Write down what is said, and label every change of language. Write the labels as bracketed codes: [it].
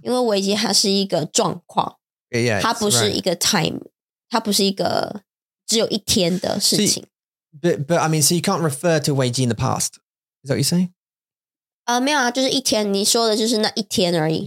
[zh] 因为危机它是一个状况。 [en] Yeah, [zh] 它不是一个 [en] time,、 right. [zh] 它不是一个只有一天的事情。 [en] See,But I mean, so you can't refer to 危机 in the past. Is that what you're saying? [zh] 没有啊，就是一天，你说的就是那一天而已。